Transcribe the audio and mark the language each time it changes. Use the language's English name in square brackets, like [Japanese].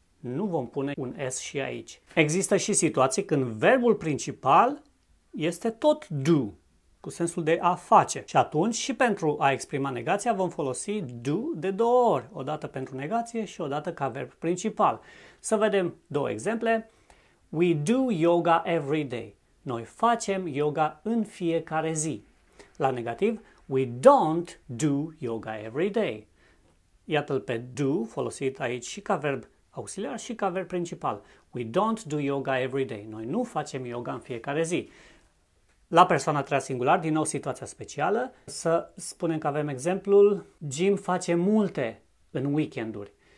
[Romanian] Nu vom pune un S și aici. Există și situații când verbul principal este tot do, cu sensul de a face. Și atunci și pentru a exprima negația vom folosi do de două ori. O dată pentru negație și o dată ca verb principal. Să vedem două exemple. [English] We do yoga every day. [Romanian] Noi facem yoga în fiecare zi. La negativ, [English] we don't do yoga every day. [Romanian] Iată-l pe do folosit aici și ca verb auxiliar și ca verb principal. [English] We don't do yoga every day. [Romanian] Noi nu facem yoga în fiecare zi. La persoana a treia singular, din nou situația specială, să spunem că avem exemplul Jim face multe în weekenduri.